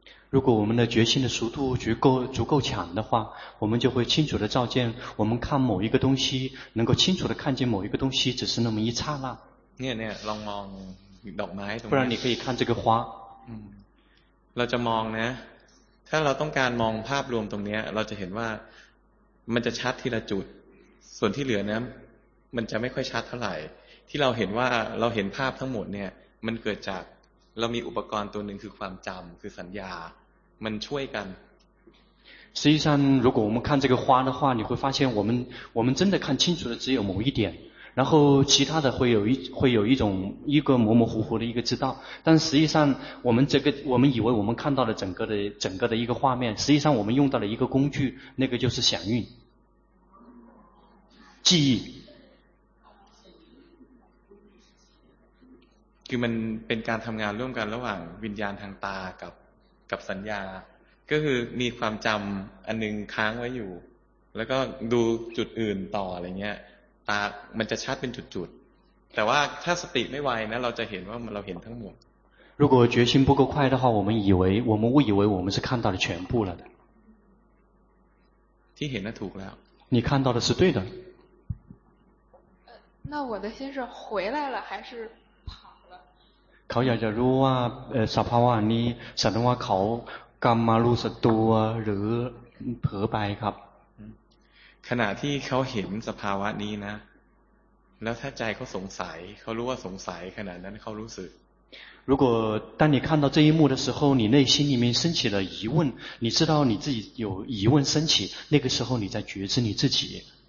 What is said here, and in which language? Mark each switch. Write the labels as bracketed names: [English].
[Chinese] 如果我们的觉性的速度足够强的话，我们就会清楚的照见，我们看某一个东西，能够清楚的看见某一个东西，只是那么一刹那。 [Thai] เนี่ยลองมองดอกไม้ตรง นี้。 [Chinese] 不然你可以看这个花。 [Thai] เราจะมองนะถ้าเราต้องการมองภาพรวมตรงนี้เราจะเห็นว่ามันจะชัดทีละจุดส่วนที่เหลือนะมันจะไม่ค่อยชัดเท่าไหร่ที่เราเห็นว่าเราเห็นภาพทั้งหมดเนี่ยมันเกิดจากเรามีอุปกรณ์ตัวหนึ่งคือความจำคือสัญญามันช่วยกัน [Chinese] 实际上如果我们看这个花的话你会发现我们真的看清楚的只有某一点然后其他的会有一个模模糊糊的一个知道但实际上我们以为我们看到了整个的一个画面实际上我们用到了一个工具那个就是响应记忆 [Thai] คือมันเป็นการทำงานร่วมกันระหว่างวิญญาณทางตากับสัญญาก็คือมีความจำอันนึงค้างไว้อยู่แล้วก็ดูจุดอื่นต่ออะไรเงี้ยตามันจะชัดเป็นจุดๆแต่ว่าถ้าสติไม่ไวนะเราจะเห็นว่าเราเห็นทั้งหมด [Chinese] 如果觉心不够快的话我们误以为我们是看到了全部了的 [Thai] ที่เห็นน่ะถูกแล้ว [Chinese] 你看到的是对的那我的心是回来了还是 [Thai] เขาอยากจะรู้ว่าสภาวะนี้แสดงว่าเขากำมารู้สึกตัวหรือเผลอไปครับ ขณะที่เขาเห็นสภาวะนี้นะแล้วถ้าใจเขาสงสัยเขารู้ว่าสงสัยขณะนั้นเขารู้สึก [Chinese] 如果当你看到这一幕的时候你内心里面升起了疑问你知道你自己有疑问升起那个时候你在觉知你自己